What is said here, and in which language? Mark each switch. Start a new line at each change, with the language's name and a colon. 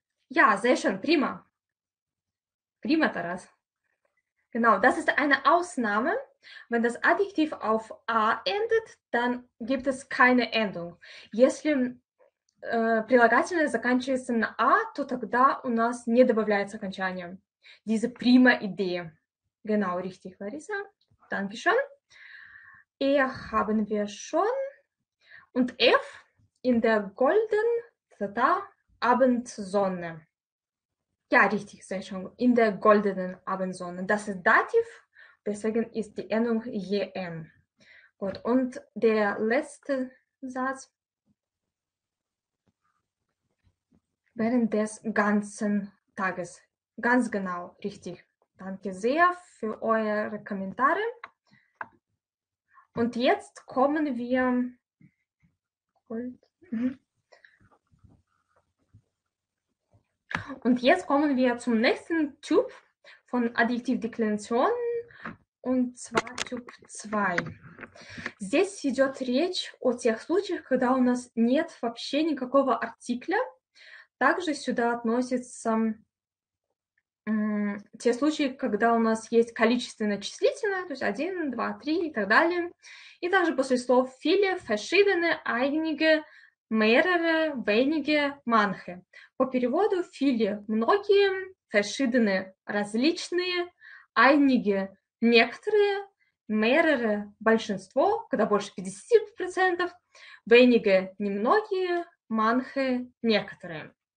German: Ja, sehr schön, prima. Prima, Taras. Genau, das ist eine Ausnahme. Wenn das Adjektiv auf A endet, dann gibt es keine Endung.
Russian: Если прилагательное заканчивается на A, то тогда у нас не добавляется окончание.
German: Diese prima Idee. Genau, richtig, Larissa. Dankeschön. E haben wir schon. Und F in der goldenen Abendsonne. Ja, richtig, sehr schön. In der goldenen Abendsonne. Das ist Dativ, deswegen ist die Endung JM. Gut, und der letzte Satz. Während des ganzen Tages. Ganz genau, richtig. Danke sehr für eure Kommentare. Und jetzt kommen wir. Und jetzt kommen wir zum nächsten Typ von Adjektivdeklinationen. Und zwar Typ 2.
Russian: Здесь идет речь о тех случаях, когда у нас нет вообще никакого артикля. Также сюда относятся те случаи, когда у нас есть количественное числительное, то есть 1, 2, 3 и так далее. И также после слов
German: viele, verschiedene, einige, mehrere, wenige, manche.
Russian: По переводу viele – многие, verschiedene – различные, einige – некоторые, mehrere – большинство, когда больше 50%, wenige – немногие, manche – некоторые.